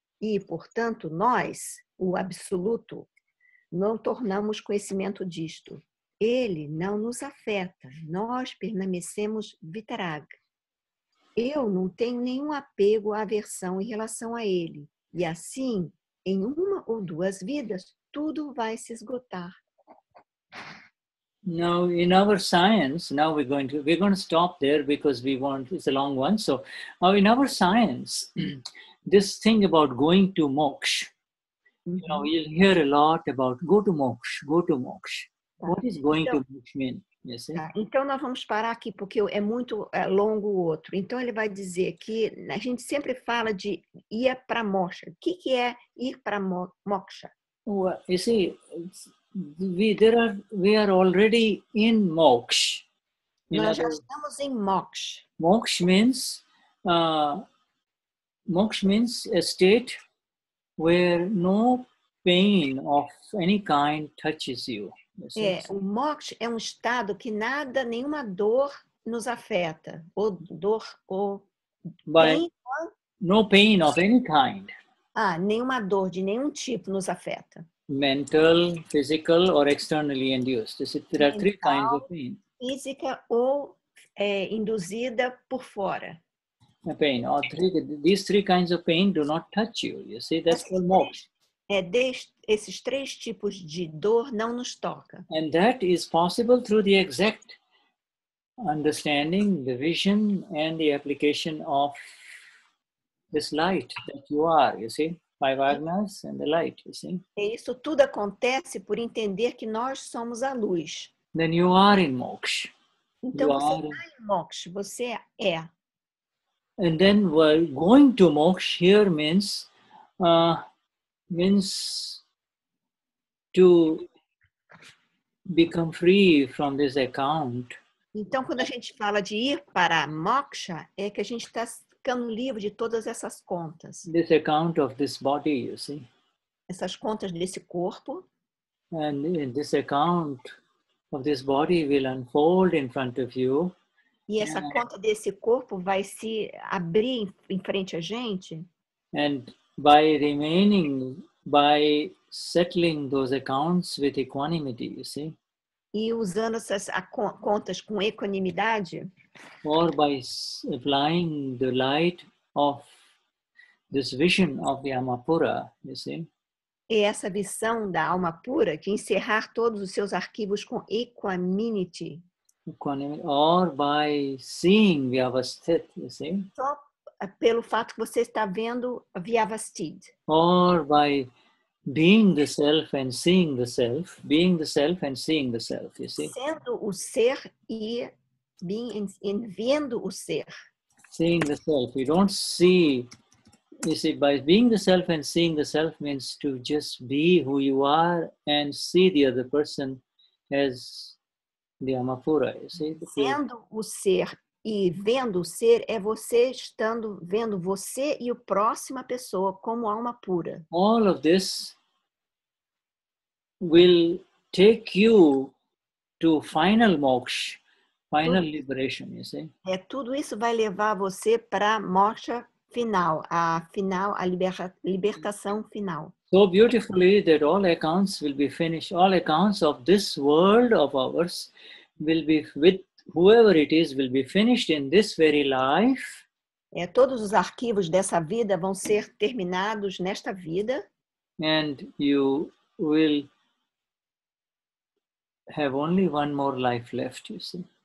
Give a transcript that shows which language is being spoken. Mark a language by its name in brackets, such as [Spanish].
[Portuguese] E, portanto, nós, o absoluto, não tornamos conhecimento disto. Ele não nos afeta. Nós permanecemos Vitaraga. Eu não tenho nenhum apego à aversão em relação a ele. E assim, em uma ou duas vidas, tudo vai se esgotar. [English] Now, in our science, now we're going to stop there because we want, it's a long one. So, in our science, this thing about going to moksha, you know, you'll hear a lot about go to moksha. [Portuguese] Tá. [English] What is going [Portuguese] então, [English] to moksha mean? Yes, [Portuguese] tá. Então, nós vamos parar aqui porque é muito longo o outro. Então, ele vai dizer que a gente sempre fala de ir para moksha. O que, que é ir para moksha? [English] Well, you see, we are already in moksha. [Portuguese] Nós já estamos em moksha. [English] Moksha means a state where no pain of any kind touches you. [Portuguese] É, o moksha é um estado que nada, nenhuma dor nos afeta, ou dor, ou [English] pain. No pain of any kind. [Portuguese] Ah, nenhuma dor de nenhum tipo nos afeta. [English] Mental, physical or externally induced. There are three kinds of pain. [Portuguese] Física ou induzida por fora. [English] A pain. Oh, three, these three kinds of pain do not touch you. You see, that's called moksha. [Portuguese] É, esses três tipos de dor não nos toca. [English] And that is possible through the exact understanding, the vision and the application of this light that you are, you see? Five agnas and the light, you see? [Portuguese] E isso tudo acontece por entender que nós somos a luz. [English] Then you are in moksha. [Portuguese] Então [English] you [Portuguese] você está em moksha, você é. [English] And then going to moksha here means means to become free from this account. [Portuguese] Então, quando a gente fala de ir para moksha, é que a gente está ficando livre de todas essas contas. [English] This account of this body, you see? [Portuguese] Essas contas desse corpo. [English] And this account of this body will unfold in front of you. [Portuguese] E essa conta desse corpo vai se abrir em frente a gente. [English] And by remaining, by settling those accounts with equanimity, you see? [Portuguese] E usando essas contas com equanimidade. [English] Or by applying the light of this vision of the alma pura, you see? [Portuguese] E essa visão da alma pura de encerrar todos os seus arquivos com equanimity. [English] Or by seeing vyavasthit, you see? [Portuguese] Só pelo fato que você está vendo vyavasthit. [English] Or by being the self and seeing the self, being the self and seeing the self, you see? [Portuguese] Sendo o ser e [English] being and [Portuguese] vendo o ser. [English] Seeing the self, you don't see, you see, by being the self and seeing the self means to just be who you are and see the other person as the Amapura, you see? [Portuguese] Sendo o ser e vendo o ser é você estando vendo você e o próxima pessoa como alma pura. [English] All of this will take you to final moksha, final liberation, you see? [Portuguese] É, tudo isso vai levar você para moksha final, a libertação final. [English] So beautifully that all accounts will be finished, all accounts of this world of ours will be with whoever it is will be finished in this very life. [Portuguese] É, todos os arquivos dessa vida vão ser terminados nesta vida. [English] And you will have only one more life left, you see.